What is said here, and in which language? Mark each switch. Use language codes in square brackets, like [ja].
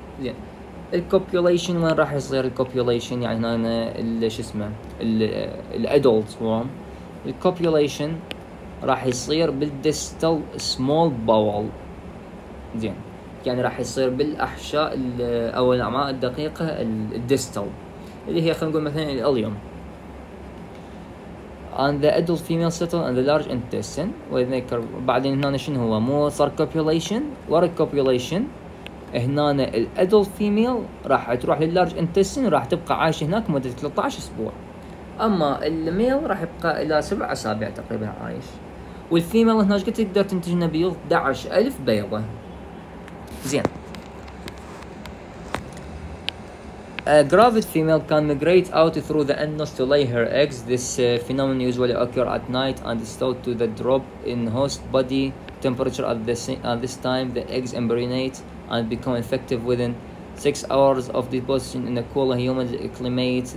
[ar] زين الكوبيوليشن وين راح يصير الكوبيوليشن؟ يعني هنا شو اسمه الادولت ورم، الكوبيوليشن راح يصير بالديستال سمول باول. زين يعني راح يصير بالاحشاء او الامعاء الدقيقه الديستال اللي هي خلينا نقول مثلا الاليوم. [en] On the adult female settle on the large intestine. [ar] وذكر بعدين هنا شنو هو مو صار copulation ورا copulation، هنا ال adult female راح تروح لل large intestine وراح تبقى عايشة هناك مدة 13 أسبوع، أما ال male راح يبقى إلى 7 أسابيع تقريبا عايش، وال female هناك قد تقدر تنتج لنا بيض 11,000 بيضة. [en] زين A gravid female can migrate out through the anus to lay her eggs. This phenomenon usually occurs at night and is due to the drop in host body temperature at this time. The eggs embryonate and become infective within 6 hours of deposition in a cool humid climate.